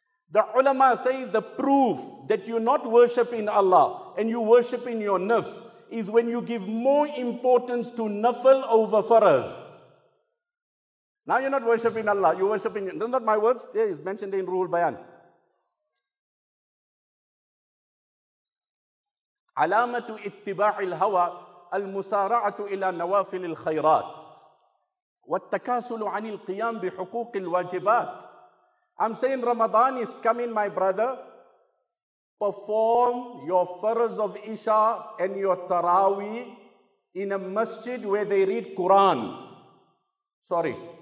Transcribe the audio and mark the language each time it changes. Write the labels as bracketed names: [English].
[English] The ulama say the proof that you're not worshipping Allah and you worship in your nafs is when you give more importance to nafl over faraz. Now you're not worshipping Allah, you're worshipping. That's not my words, yeah, it's mentioned in Ruhul Bayan. [Arabic] علامة اتباع الهوى المسارعة إلى نوافل الخيرات والتكاسل عن القيام بحقوق الواجبات. [English] I'm saying Ramadan is coming, my brother. Perform your farz of Isha and your Taraweeh in a masjid where they read Quran. Sorry.